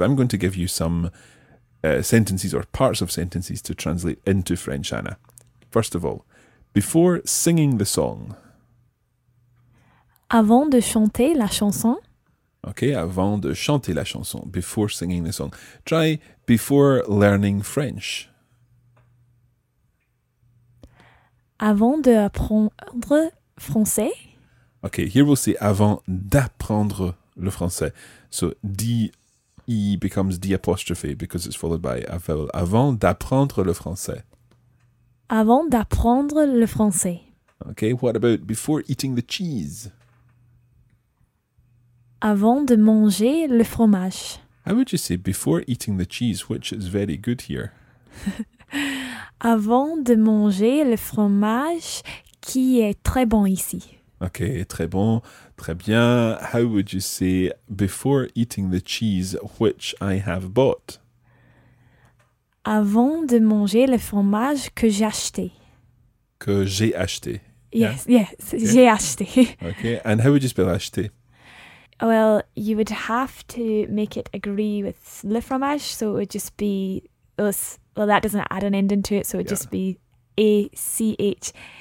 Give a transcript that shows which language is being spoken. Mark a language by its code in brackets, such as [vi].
[en] I'm going to give you some sentences or parts of sentences to translate into French, Anna. First of all, before singing the song. [fr] Avant de chanter la chanson. Okay, avant de chanter la chanson, [en] before singing the song. Try before learning French. [fr] Avant de apprendre français. [en] Okay, here we'll say [fr] avant d'apprendre le français. [en] So D-E becomes D apostrophe because it's followed by a vowel. [fr] Avant d'apprendre le français. Avant d'apprendre le français. [en] Okay, what about before eating the cheese? [fr] Avant de manger le fromage. [en] How would you say before eating the cheese, which is very good here? [fr] Avant de manger le fromage qui est très bon ici. Okay, très bon, très bien. [en] How would you say before eating the cheese which I have bought? [fr] Avant de manger le fromage que j'ai acheté. Que j'ai acheté. Yes, okay. J'ai acheté. [en] Okay, and how would you spell acheté? Well, you would have to make it agree with le fromage, so it would just be... Well, that doesn't add an ending to it, so it'd just be A-C-H-E-T-E-A-K-I-T.